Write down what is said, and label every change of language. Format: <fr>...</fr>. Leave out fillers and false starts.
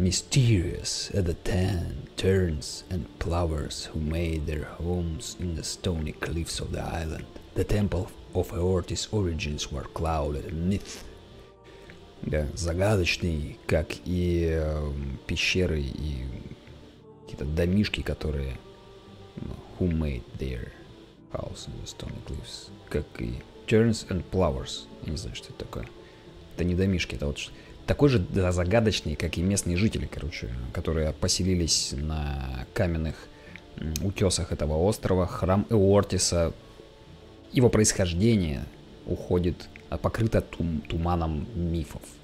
<en>«Mysterious at the ten turns and plovers who made their homes in the stony cliffs of the island. The temple of Eortis origins were clouded in myth».</en> <ru>Да, загадочный, как и пещеры, и какие-то домишки, которые...</ru> <en>Who made their house in the stone cliffs?</en> <ru>Как и</ru> <en>turns and plovers.</en> <ru>Я не знаю, что это такое. Это не домишки, это вот такой же, да, загадочный, как и местные жители, короче, которые поселились на каменных утесах этого острова. Храм Эортиса, его происхождение уходит, покрыто туманом мифов.</ru>